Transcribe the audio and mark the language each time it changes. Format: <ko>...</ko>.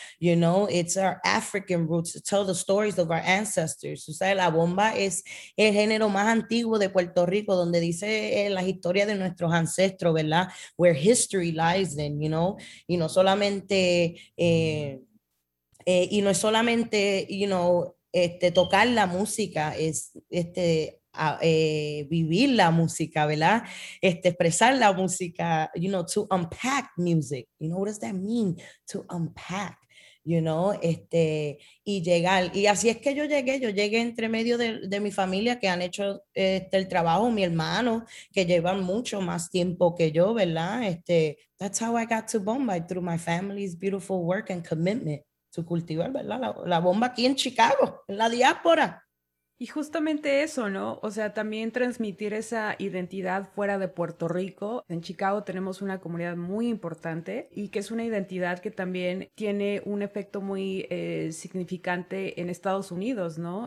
<en>You know, it's our African roots to tell the stories of our ancestors.</en> <es>O sea, la bomba es el género más antiguo de Puerto Rico, donde dice la historia de nuestros ancestros, ¿verdad?</es> <en>Where history lies in, you know?</en> <es>Y no solamente... y no es solamente, you know, tocar la música, es vivir la música, ¿verdad? Expresar la música,</es> <en>you know, to unpack music. You know, what does that mean? To unpack, you know,</en> <es>y llegar. Y así es que yo llegué entre medio de mi familia, que han hecho el trabajo, mi hermano, que llevan mucho más tiempo que yo, ¿verdad?</es> <en>That's how I got to Bombay, through my family's beautiful work and commitment.</en> <es>Tu cultivar, ¿verdad? La bomba aquí en Chicago, en la diáspora. Y justamente eso, ¿no? O sea, también transmitir esa identidad fuera de Puerto Rico. En Chicago tenemos una comunidad muy importante y que es una identidad que también tiene un efecto muy significante en Estados Unidos, ¿no?</es>